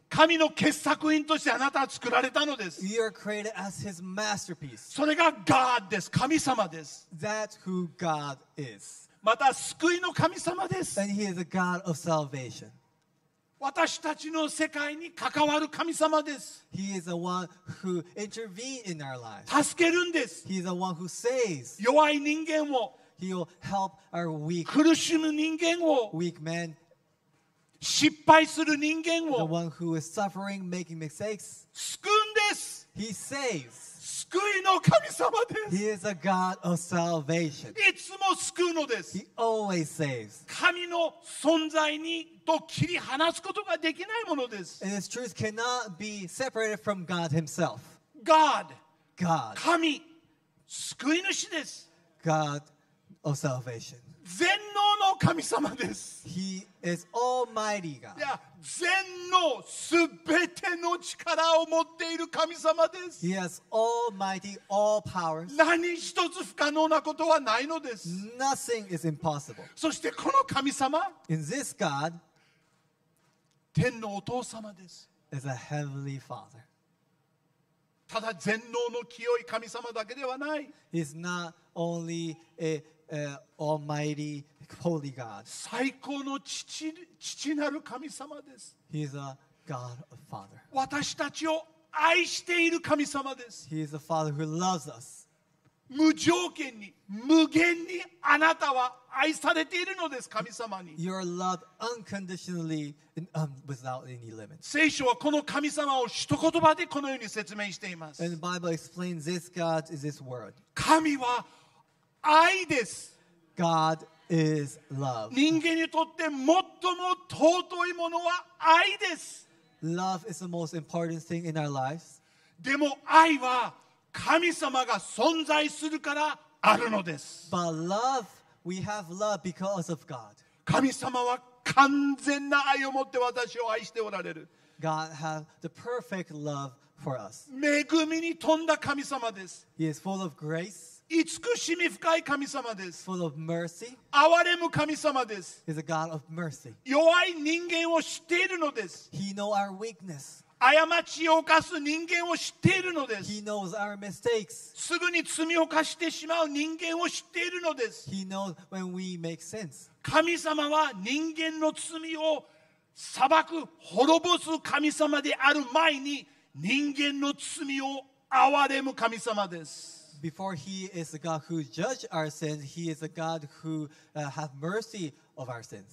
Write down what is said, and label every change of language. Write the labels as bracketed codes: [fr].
[ja] 神の傑作品としてあなたは作られたのです。 [en] You are created as his masterpiece. [ja] それが God です。神様です。 [en] That's who God is. [ja] また救いの神様です。 [en] And he is a God of salvation. [ja] 私たちの世界に関わる神様です。 [en] He is the one who intervenes in our lives. [ja] 助けるんです。 [en] He is the one who saves. [ja] 弱い人間を。 [en] He will help our weak. [ja] 苦しむ人間を。 [en] Weak men. [ja] 失敗する人間を。 [en] The one who is suffering, making mistakes. [ja] 救うんです。 [en] He saves. [ja] 救いの神様です。 [en] He is a God of salvation. [ja] いつも救うのです。 [en] He always saves. [ja] 神の存在にと切り離すことができないものです。 [en] And his truth cannot be separated from God himself. God. God. [ja] 神、救い主です。 [en] God of salvation. [ja] 全能の神様です。 [en] He is almighty God. Yeah. [ja] 全能すべての力を持っている神様です。 [en] He has almighty all powers. [ja] 何一つ不可能なことはないのです。 [en] Nothing is impossible. [ja] そしてこの神様、 [en] In this God, [ja] 天のお父様です。 [en] Is a heavenly father. [ja] ただ全能の清い神様だけではない。 [en] He is not only a, almighty. Holy God. [ja] 最高の 父なる神様です。 [en] He is a God of Father. [ja] 私たちを愛している神様です。 [en] He is a Father who loves us. [ja] 無条件に、無限にあなたは愛されているのです、神様に。 [en] You are loved unconditionally and without any limits. [ja] 聖書はこの神様を一言葉でこのように説明しています。 [en] And the Bible explains this God is this word. [ja] 神は愛です。 [en] God is love. Is love. [ja] 人間にとって最も尊いものは愛です。 [en] Love is the most important thing in our lives. [ja] でも愛は神様が存在するからあるのです。 [en] But love, we have love because of God. [ja] 神様は完全な愛を持って私を愛しておられる。 [en] God has the perfect love for us. [ja] 恵みに富んだ神様です。 [en] He is full of grace. [ja] 慈しみ深い神様です。 [en] Full of mercy. [ja] 憐れむ神様です。 [en] He's a God of mercy. [ja] 弱い人間を知っているのです。 [en] He knows our weakness. [ja] 過ちを犯す人間を知っているのです。 [en] He knows our mistakes. [ja] すぐに罪を犯してしまう人間を知っているのです。 [en] He knows when we make sins. [ja] 神様は人間の罪を裁く、滅ぼす神様である前に人間の罪を憐れむ神様です。 [en] Before he is the God who judges our sins, he is the God who have mercy of our sins.